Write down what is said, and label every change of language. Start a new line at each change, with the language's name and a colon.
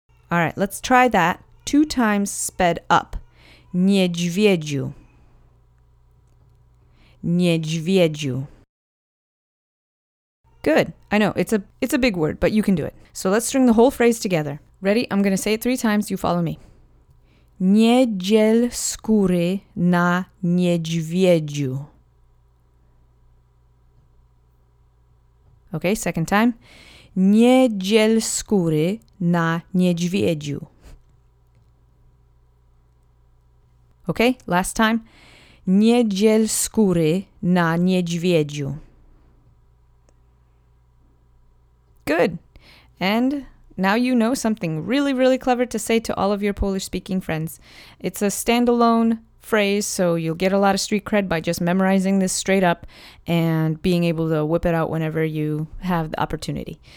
English: All right, let's try that two times sped up.
Polish: Niedźwiedziu. Niedźwiedziu.
English: Good. I know, it's a big word, but you can do it. So let's string the whole phrase together. Ready? I'm going to say it three times. You follow me.
Polish: Nie dziel skóry na niedźwiedziu.
English: Okay, second time.
Polish: Nie dziel skóry na niedźwiedziu.
English: Okay, last time.
Polish: Nie dziel skóry na niedźwiedziu.
English: Good. And now you know something really, really clever to say to all of your Polish-speaking friends. It's a standalone phrase, so you'll get a lot of street cred by just memorizing this straight up and being able to whip it out whenever you have the opportunity.